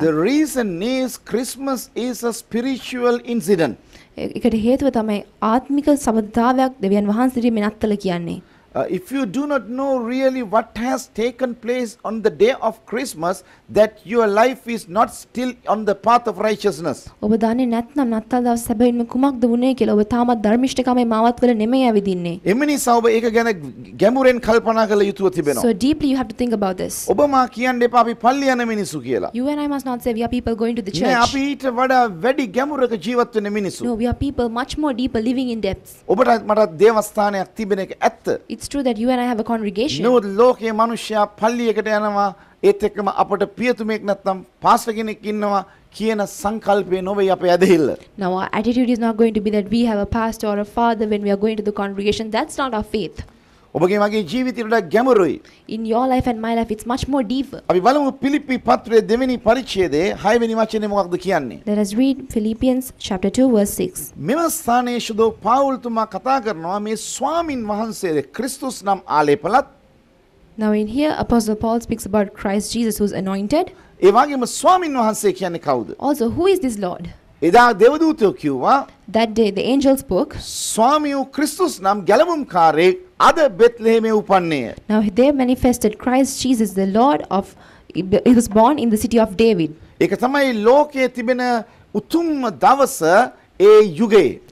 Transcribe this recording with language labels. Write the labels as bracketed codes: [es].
[en] The reason is Christmas is a spiritual incident. [si] ඒකට හේතුව තමයි ආත්මික සම්බන්ධතාවයක් දෙවියන් වහන්සේ මෙනත්තල කියන්නේ. [en] If you do not know really what has taken place on the day of Christmas that your life is not still on the path of righteousness [si] ඔබ දන්නේ නැත්නම් නත්තල් දවස් හැබැයිම කුමක්ද වුනේ කියලා ඔබ තාමත් ධර්මිෂ්ඨකමේ මාවත් කරලා නෙමෙයි ඇවිදින්නේ එමිනිසා ඔබ ඒක ගැන ගැඹුරෙන් කල්පනා කළ යුතුව තිබෙනවා [en] So deeply you have to think about this [si] ඔබ මා කියන්න එපා අපි පල්ලි යන මිනිසු කියලා [en] You and I must not say we are people going to the church [si] නෑ අපි ඊට වඩා වැඩි ගැඹුරක ජීවත් වෙන මිනිසු [en] No we are people much more deeper living in depths [si] ඔබට මට දේවස්ථානයක් තිබෙන එක ඇත්ත [en] It's true that you and I have a congregation. [si] No, ලෝකයේ මිනිස්සු පල්ලියකට යනවා ඒත් එක්කම අපට පියතුමෙක් නැත්නම් පාස්ටර් කෙනෙක් ඉන්නවා කියන සංකල්පේ නොවේ අපේ ඇදහිල්ල. [en] Now our attitude is not going to be that we have a pastor or a father when we are going to the congregation. That's not our faith. [si] ඔබගේ මගේ ජීවිතයට ගැඹුරුයි. [en] In your life and my life it's much more deeper. [si] අපි බලමු පිලිප්පි පත්‍රයේ දෙවෙනි පරිච්ඡේදයේ 6 වෙනි වචනේ මොකක්ද කියන්නේ. [en] Let us read Philippians chapter 2 verse 6. [si] මෙම ස්ථානයේ සුදෝ පාවුල් තුමා කතා කරනවා මේ ස්වාමින් වහන්සේ ක්‍රිස්තුස් නම් ආලේපලත්. [en] Now in here Apostle Paul speaks about Christ Jesus who's anointed. [si] ඒ වගේම ස්වාමින් වහන්සේ කියන්නේ කවුද? [en] Also who is this Lord? [si] එදා දේවදූතයෝ කිව්වා [en] That day the angels spoke. [si] ස්වාමියු ක්‍රිස්තුස් නම් ගැලවුම්කාරයේ අද බෙත්ලෙහෙමේ උපන්නේය. [en] Now they manifested Christ Jesus the Lord of he was born in the city of David. [si] ඒක තමයි ලෝකයේ තිබෙන උතුම්ම දවස ඒ යුගයේ.